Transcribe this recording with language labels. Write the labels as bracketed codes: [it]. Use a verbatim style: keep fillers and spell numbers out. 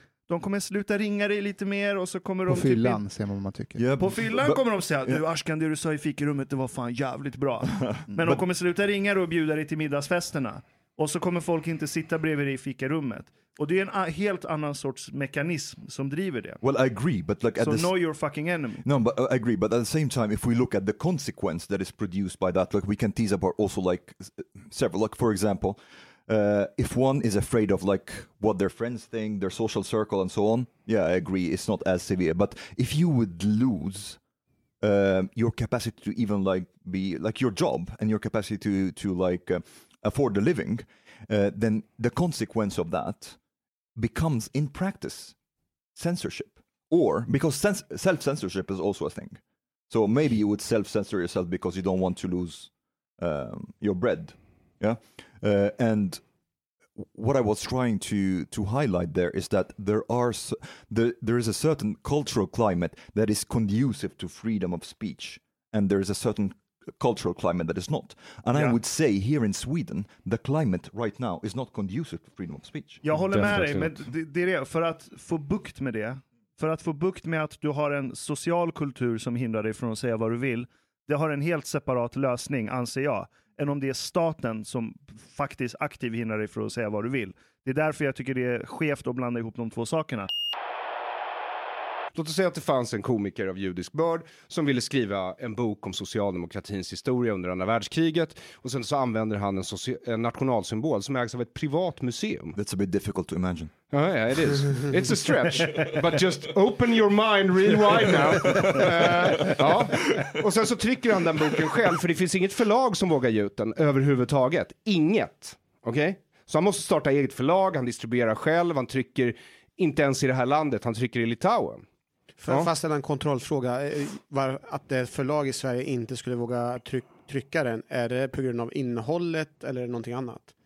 [sv] De kommer sluta ringa dig lite mer, och så kommer på de... På fyllan typ in... ser man vad man tycker. Yeah, på fyllan but, kommer de säga, du Ashkan, det du sa i fikerummet, det var fan jävligt bra. Men but, de kommer sluta ringa och bjuda dig till middagsfesterna. Och så kommer folk inte sitta bredvid dig i fikerummet. Och det är en a- helt annan sorts mekanism som driver det. [en] Well, I agree, but like... So this... know your fucking enemy. No, but I agree, but at the same time, if we look at the consequence that is produced by that, like we can tease apart also like several, like for example... Uh, if one is afraid of like what their friends think, their social circle and so on, yeah, I agree, it's not as severe. But if you would lose uh, your capacity to even like be like your job and your capacity to to like uh, afford a living, uh, then the consequence of that becomes in practice censorship, or because sens- self-censorship is also a thing. So maybe you would self-censor yourself because you don't want to lose um, your bread. Yeah. Uh, and what I was trying to, to highlight there is that there are there, there is a certain cultural climate that is conducive to freedom of speech, and there is a certain cultural climate that is not. And yeah. I would say here in Sweden, the climate right now is not conducive to freedom of speech. [sv] Jag håller med dig, men det, det är det, för att få bukt med det, för att få bukt med att du har en social kultur som hindrar dig från att säga vad du vill, det har en helt separat lösning, anser jag, än om det är staten som faktiskt aktivt hindrar dig för att säga vad du vill. Det är därför jag tycker det är skevt att blanda ihop de två sakerna. Låt oss säga att det fanns en komiker av judisk börd som ville skriva en bok om socialdemokratins historia under andra världskriget, och sen så använder han en, soci- en nationalsymbol som ägs av ett privat museum. [en] That's a bit difficult to imagine. Ja, oh, yeah, it is. It's a stretch. But just open your mind real wide now. [sv] Uh, ja. Och sen så trycker han den boken själv, för det finns inget förlag som vågar ge ut den överhuvudtaget. Inget. Okej? Okay? Så han måste starta eget förlag, han distribuerar själv, han trycker inte ens i det här landet, han trycker i Litauen. För ja. Fastställa en kontrollfråga, var, att det förlag i Sverige inte skulle våga tryck, trycka den, är det på grund av innehållet eller någonting annat?